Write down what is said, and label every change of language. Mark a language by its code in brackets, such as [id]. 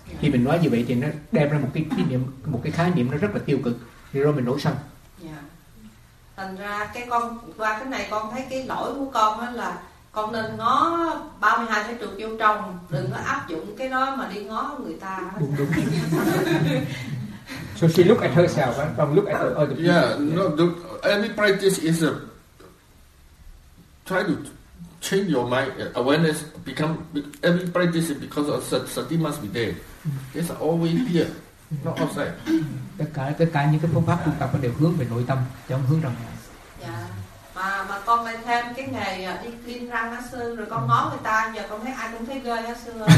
[vi] Khi mình nói như vậy thì nó đem ra một cái khái niệm nó rất là tiêu cực. Thì rồi mình nổi sân. Thành ra con thấy cái lỗi của con á là con nên ngó 32 thái trượt vô trong. Đừng có áp dụng cái đó mà đi ngó người ta. Đúng. [en] So she look at herself, right? From look at the other people. Yeah, no, any practice is a try to change your mind, awareness become, every practice is because of sati must be there. It's always here, not outside. [vi] Tất cả những cái phương pháp tu tập đều hướng về nội tâm, chứ không hướng ra ngoài. Dạ, mà con lại thêm cái nghề đi clean răng á sư, rồi con ngó người ta, giờ con thấy ai cũng thấy ghê á sư.